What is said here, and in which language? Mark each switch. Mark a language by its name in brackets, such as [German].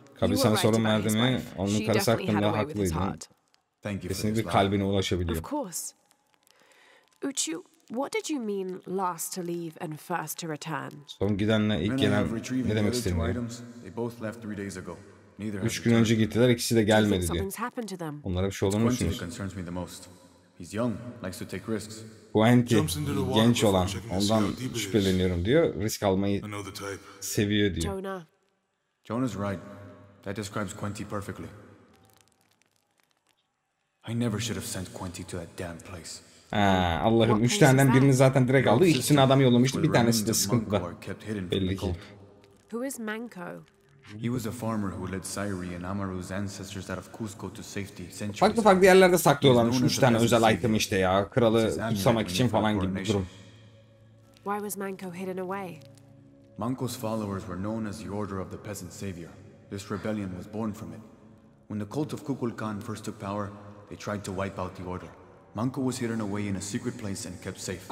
[Turkish] Kabil sana sorun verdi mi? Onun karısı hakkında haklıydı. Kesinlikle kalbine ulaşabiliyor. [English] Of course. Uchu, what did you mean last to leave and first to return? [Turkish] Son gidenle ilk gelen ne demek istedim? 3 gün önce gittiler, ikisi de gelmedi diyor. Onlara bir şey olur mu düşünüyorsunuz? [English] He's young, likes to take risks. [Turkish] Quenti, genç olan, ondan şüpheleniyorum diyor. Risk almayı seviyor diyor. [English] Jonah's right. That describes Quenti perfectly. I never should have sent Quenti to that damn place. [Turkish] Ha, Allah'ım, 3 taneden birini zaten direkt aldı. İkisini adam yollamıştı, bir tanesi de sıkıntıda. Belli ki. [English] Who is Manco? He was a farmer who led Sairi and Amaru's ancestors out of Cusco to safety. [Turkish] Farklı farklı yerlerde saklıyorlarmış 3 tane özel item işte ya. Kralı tutsamak için falan gibi bir durum. [English] Why was Manco hidden away? Manco's followers were known as the Order of the Peasant Savior. This rebellion was born from it. When the cult of Kukulkan first took power, they tried to wipe out the order. Manco was hidden away in a secret place and kept safe.